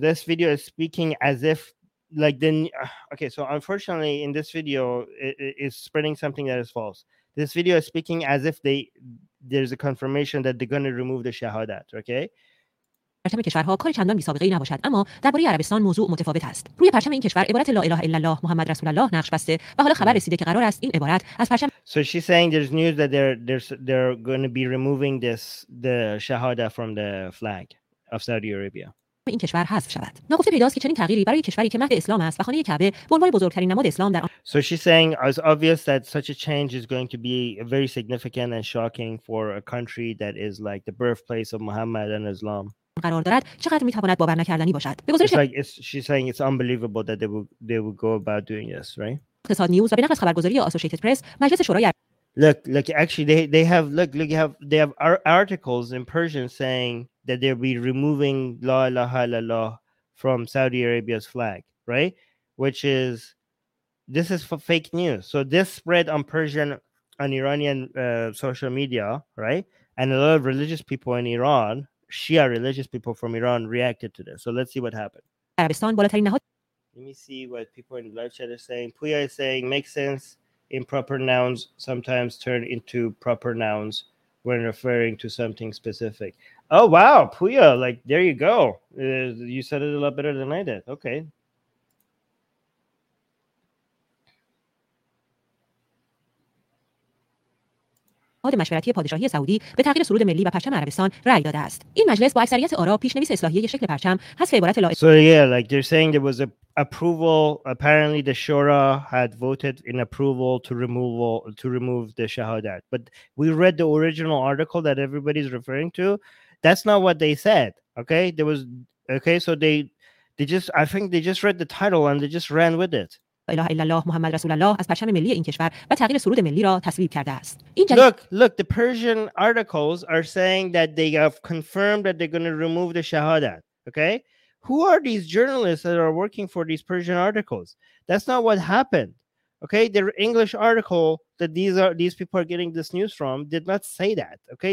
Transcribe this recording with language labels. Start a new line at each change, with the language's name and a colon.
English: This video is speaking as if like then okay, so unfortunately in this video it is spreading something that is false. This video is speaking as if there's a confirmation that they're going to remove the shahadat, okay?
Persian: پرچم کشورها کار چندان بی سابقه ای نباشد اما درباره عربستان موضوع متفاوت است. روی پرچم این کشور عبارت لا اله الا الله محمد رسول الله نقش بسته و حالا خبر رسیده که قرار است این عبارت از پرچم
English: So she's saying there's news that they're going to be removing the shahada from the flag of Saudi Arabia.
Persian: این کشور حذف شود. نگفته پیداست که چنین تغییری برای کشوری که مهد اسلام است و خانه کعبه به عنوان بزرگترین نماد اسلام در آن
English: So she's saying it's obvious that such a change is going to be very significant and shocking for a country that is like the birthplace of Muhammad and Islam.
Persian: قرار دارد چقدر میتواند باور نکردنی باشد به گزارش
English: she's saying it's unbelievable that they would go about doing this right
Persian: اقتصاد نیوز و به نقل از خبرگزاری آسوشیتد پرس مجلس شورای
English: look actually they have articles in Persian saying that they'll be removing la ilaha illallah from Saudi Arabia's flag right which is this is for fake news so this spread on Persian and Iranian social media right and a lot of religious people in Iran Shia religious people from Iran reacted to this. So let's see what happened. Let me see what people in the live chat are saying. Puya is saying, makes sense. Improper nouns sometimes turn into proper nouns when referring to something specific. Oh, wow, Puya, like, there you go. You said it a lot better than I did. Okay.
Persian: مشورتی پادشاهی سعودی به تغییر سرود ملی و پرچم عربستان رأی داده است. این مجلس با اکثریت آرا پیشنویس اصلاحیه شکل پرچم حذف عبارت لا
English: So yeah, like they're saying there was approval. Apparently the shura had voted in approval to remove the shahadat. But we read the original article that everybody's referring to. That's not what they said. Okay? I think they just read the title and they just ran with it.
Persian: لا اله الا الله محمد رسول الله از پرچم ملی این کشور و تغییر سرود ملی را تصویب کرده است.
English: Look, the Persian articles are saying that they have confirmed that they're going to remove the shahadat, okay? Who are these journalists that are working for these Persian articles? That's not what happened. Okay? The English article that these people are getting this news from did not say that, okay?